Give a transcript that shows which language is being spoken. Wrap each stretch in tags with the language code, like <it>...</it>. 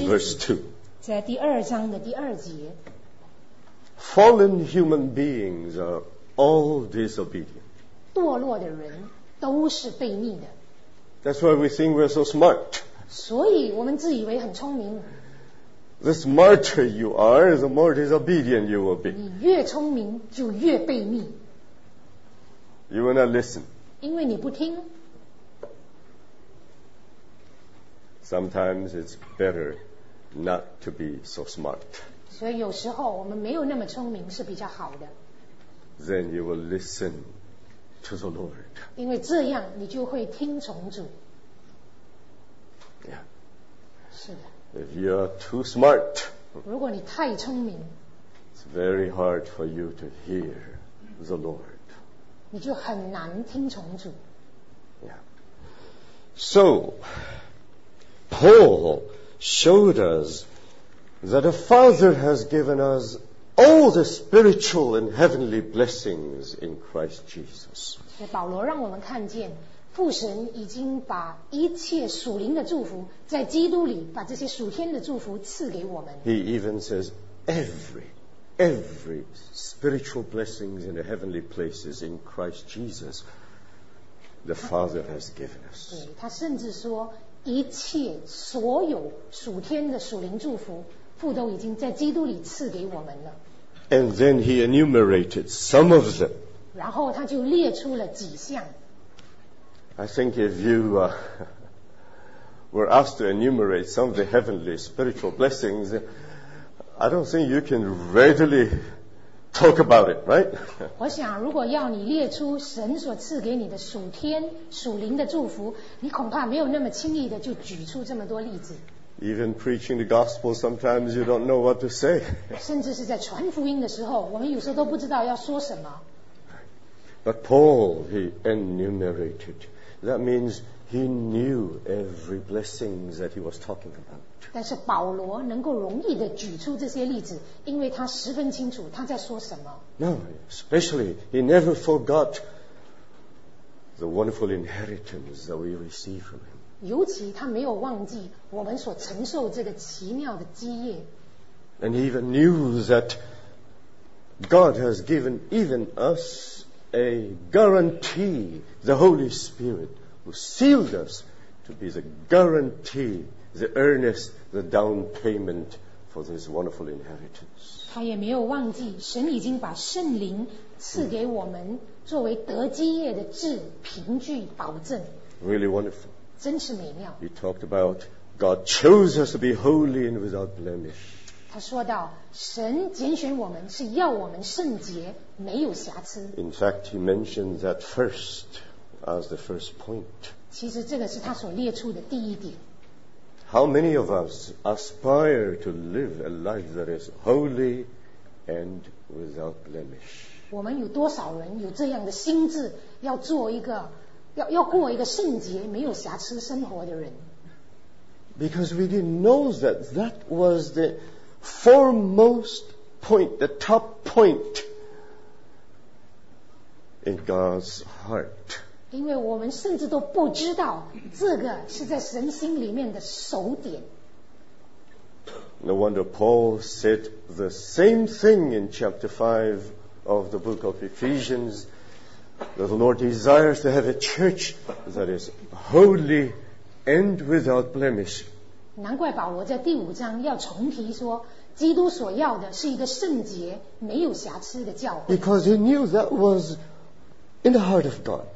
<en>In verse 2.</en> <zh>在第二章的第二节。</zh> <en>Fallen human beings are all disobedient.</en> <zh>堕落的人都是悖逆的。</zh> <en>That's why we think we're so smart.</en> <zh>所以我们自以为很聪明。</zh> <en>The smarter you are, the more disobedient you will be.</en> <zh>你越聪明就越悖逆。</zh> <en>You will not listen.</en> <zh>因为你不听。</zh> <en>Sometimes it's better not to be so smart.</en> <zh>所以有时候我们没有那么聪明是比较好的。</zh> <en>Then you will listen to the Lord.</en> <zh>因为这样你就会听从主。</zh> <en>Yeah.</en> <zh>是的。</zh> <en>If you are too smart,</en> <zh>如果你太聪明</zh> <en>it's very hard for you to hear the Lord.</en> <zh>你就很难听从主。</zh> <en>Yeah. So, Paul showed us that the Father has given us all the spiritual and heavenly blessings in Christ Jesus.</en> <zh>保罗让我们看见父神已经把一切属灵的祝福在基督里把这些属天的祝福赐给我们。</zh> <en>He even says every spiritual blessings in the heavenly places in Christ Jesus the Father has given us.</en> <zh>他甚至说一切所有属天的属灵祝福父都已经在基督里赐给我们了。</zh> <en>And then he enumerated some of them.</en> <zh>然后他就列出了几项。</zh> <en>I think if you were asked to enumerate some of the heavenly spiritual blessings, I don't think you can readily talk about it, right?</en> <zh>我想如果要你列出神所赐给你的属天、属灵的祝福，你恐怕没有那么轻易的就举出这么多例子。</zh> <en>Even preaching the gospel, sometimes you don't know what to say.</en> <zh>甚至是在传福音的时候，我们有时候都不知道要说什么。</zh> <en>But Paul, he enumerated. That means he knew every blessing that he was talking about.</en> <zh>但是保罗能够容易地举出这些例子，因为他十分清楚他在说什么。</zh> <en>No, especially he never forgot the wonderful inheritance that we receive from him.</en> <zh>尤其他没有忘记我们所承受这个奇妙的基业。</zh> <en>And he even knew that God has given even us a guarantee, the Holy Spirit, who sealed us to be the guarantee, the earnest, the down payment for this wonderful inheritance.</en> <zh>他也没有忘记，神已经把圣灵赐给我们，作为得基业的质凭据保证。</zh> <en>Really wonderful.</en> <zh>真是美妙。</zh> <en>He talked about God chose us to be holy and without blemish.</en> <zh>他说到神拣选我们是要我们圣洁没有瑕疵。</zh> <en>In fact, he mentioned that first as the first point.</en> <zh>其实这个是他所列出的第一点。</zh> <en>How many of us aspire to live a life that is holy and without blemish?</en> <zh>我们有多少人有这样的心智要做一个 要过一个圣洁没有瑕疵生活的人？</zh> <en>Because we didn't know that that was theForemost point, the top point in God's heart.</en> <zh>因为我们甚至都不知道这个是在神心里面的首点。</zh> <en>No wonder Paul said the same thing in chapter 5 of the book of Ephesians, that the Lord desires to have a church that is holy and without blemish.</en> <zh>难怪保罗在第五章要重提说基督所要的是一个圣洁没有瑕疵的教会。</zh> <en>Because he knew that was in the heart of God.</en>